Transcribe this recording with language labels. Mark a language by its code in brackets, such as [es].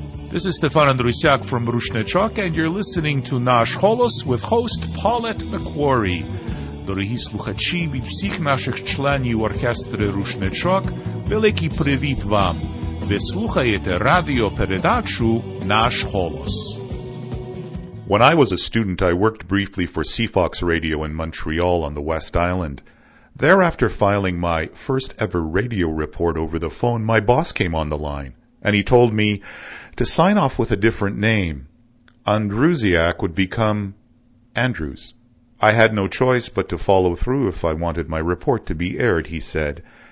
[en] This is Stefan Andrusiak from Rushnechok, and you're listening to Nash Holos with host Paulette McQuarrie. [uk] Дорогі слухачі, від всіх наших членів оркестри Рушнечок, великий привіт вам! Ви слухаєте радіопередачу «Наш голос». [en] When I was a student, I worked briefly for CFOX Radio in Montreal on the West Island. Thereafter filing my first ever radio report over the phone, my boss came on the line, and he told me to sign off with a different name. Andrusiak would become Andrews. I had no choice but to follow through if I wanted my report to be aired, he said.